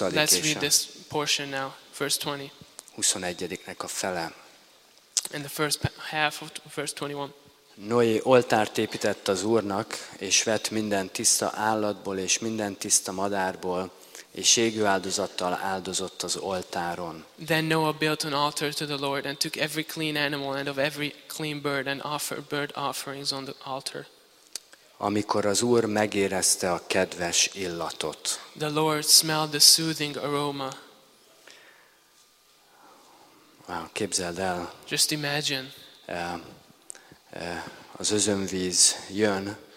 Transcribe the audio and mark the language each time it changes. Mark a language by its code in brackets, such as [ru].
[en] Let's read this portion now, verse 20. [hu] 21-nek a fele. [en] In the first half of verse 21. [hu] Noé oltárt épített az Úrnak, és vett minden tiszta állatból és minden tiszta madárból, és égő áldozattal áldozott az oltáron. [en] Then Noah built an altar to the Lord and took every clean animal and of every clean bird and offered burnt offerings on the altar. [hu] amikor az Úr megérezte a kedves illatot. [en] The Lord smelled the soothing aroma. [hu] Wow, képzeld el. [en] Just imagine. [hu] Az özönvíz jön.